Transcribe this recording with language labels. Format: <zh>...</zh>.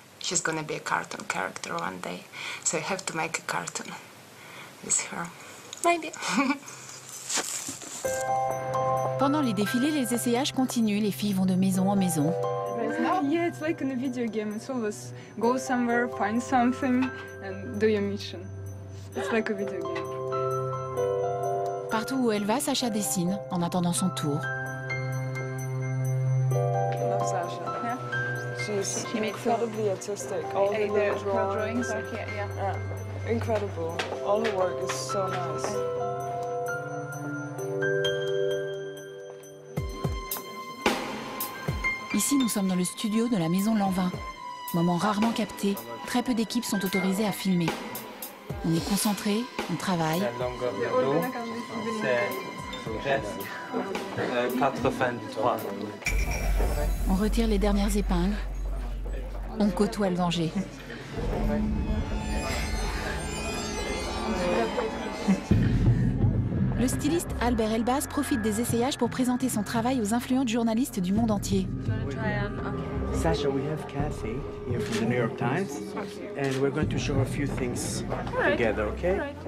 <en>She's gonna be a cartoon character one day. So I have to make a cartoon with her. Maybe.</en> <fr>Pendant les défilés, les essayages continuent. Les filles vont de maison en maison.</fr> <en>Yeah, it's like in a video game. It's always go somewhere, find something, and do your mission. It's like a video game.</en> <fr>Partout où elle va, Sacha dessine en attendant son tour.</fr> <en>I love Sacha. Yeah. She made incredibly four. Artistic. All the little drawings. Yeah. Incredible. All her work is so nice.</en> <fr>Ici, nous sommes dans le studio de la maison Lanvin. Moment rarement capté, très peu d'équipes sont autorisées à filmer. On est concentré, on travaille. La longueur de l'eau, c'est 83. On retire les dernières épingles, on côtoie le danger. Le styliste Albert Elbaz profite des essayages pour présenter son travail aux influents journalistes du monde entier.</fr> <en>Sacha, we have Cathy here from the New York Times, and we're going to show a few things together, okay?</en>